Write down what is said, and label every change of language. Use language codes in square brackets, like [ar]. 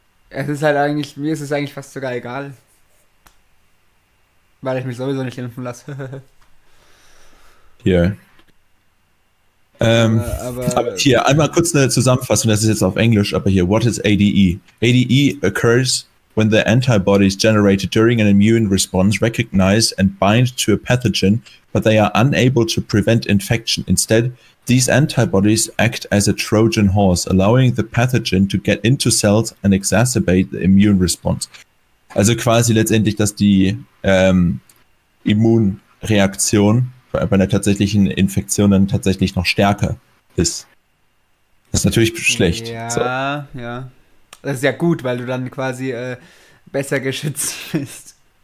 [de] Es ist halt eigentlich, mir ist es eigentlich fast sogar egal. Weil ich mich sowieso nicht impfen lasse. Hier. Aber Aber. hier einmal kurz eine Zusammenfassung, das ist jetzt auf Englisch, aber hier, [en] what is ADE? ADE occurs when the antibodies generated during an immune response recognize and bind to a pathogen, but they are unable to prevent infection. Instead, these antibodies act as a Trojan horse, allowing the pathogen to get into cells and exacerbate the immune response. [de] Also quasi letztendlich, dass die Immunreaktion bei einer tatsächlichen Infektion dann tatsächlich noch stärker ist. Das ist natürlich schlecht. So. Ja. Das ist ja gut, weil du dann quasi besser geschützt bist.